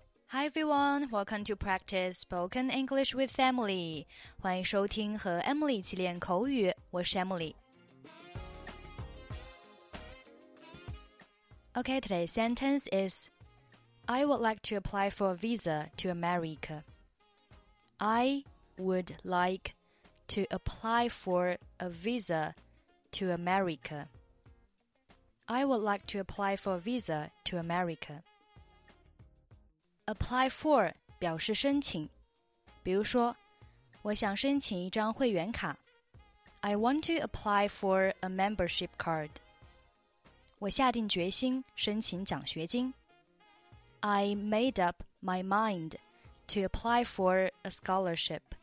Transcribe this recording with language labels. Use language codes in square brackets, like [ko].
[en] Hi everyone, welcome to practice spoken English with Emily. [zh] 欢迎收听和 Emily 一起练口语，我是 Emily. [en] Okay, today's sentence is I would like to apply for a visa to America. I would like to apply for a visa to America. I would like to apply for a visa to America. [zh] Apply for 表示申请，比如说，我想申请一张会员卡。 [en] I want to apply for a membership card. [zh] 我下定决心申请奖学金。 [en] I made up my mind to apply for a scholarship.